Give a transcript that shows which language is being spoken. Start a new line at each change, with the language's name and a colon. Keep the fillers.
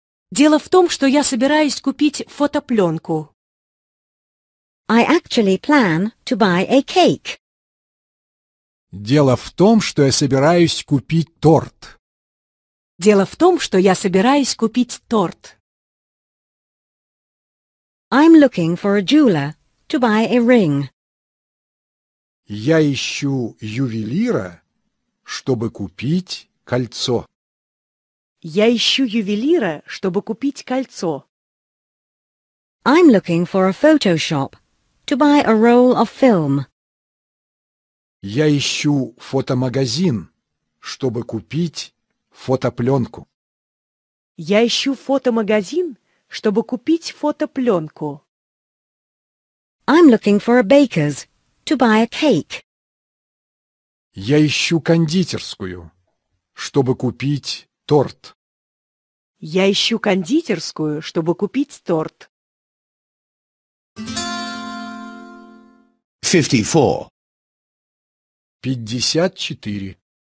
Russian: Дело в том, что я собираюсь купить фотопленку.
English: I actually plan to buy a cake.
Russian: Дело в том, что я собираюсь купить торт. Дело в том, что я собираюсь купить торт.
English: I'm looking for a jeweler to buy a ring.
Russian: Я ищу ювелира, чтобы купить кольцо. Я ищу ювелира, чтобы купить кольцо.
English: I'm looking for a photo shop to buy a roll of film.
Russian: Я ищу фотомагазин, чтобы купить фотопленку. Я ищу фотомагазин, чтобы купить фотопленку.
English: I'm looking for a baker's to buy a cake.
Russian: Я ищу кондитерскую, чтобы купить торт. Я ищу кондитерскую, чтобы купить торт. 54 54